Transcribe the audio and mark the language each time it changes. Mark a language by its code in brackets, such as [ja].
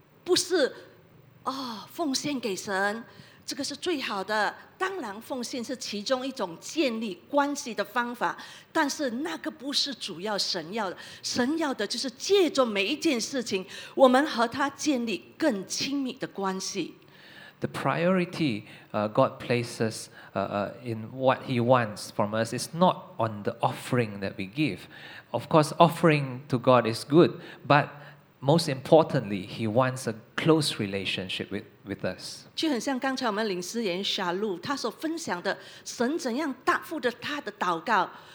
[zh] 不是哦，奉献给神，这个是最好的。当然，奉献是其中一种建立关系的方法，但是那个不是主要神要的。神要的就是借着每一件事情，我们和他建立更亲密的关系。 [en] The priority God places in what He wants from us is not on the offering that we give. Of course, offering to God is good, but most importantly, He wants a close relationship with us. [zh] 就很像刚才我们领诗人夏露他所分享的，神怎样答复的他的祷告。